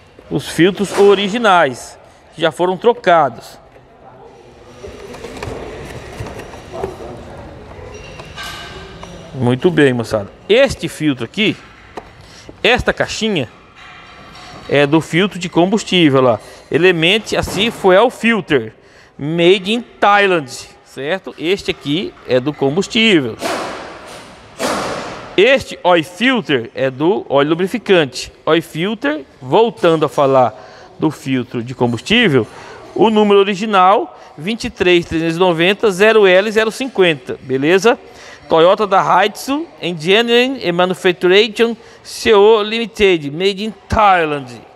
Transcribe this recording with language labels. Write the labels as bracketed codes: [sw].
[pt] Os filtros originais que já foram trocados. Muito bem, moçada. Este filtro aqui, esta caixinha, é do filtro de combustível lá. [en] Element Asphalt Filter, made in Thailand, certo? [pt] Este aqui é do combustível. Este oil filter é do óleo lubrificante. Oil filter, voltando a falar do filtro de combustível, o número original 23390-0L050, beleza? [en] Toyota da Heidsu Engineering and Manufacturing Co. Limited, made in Thailand.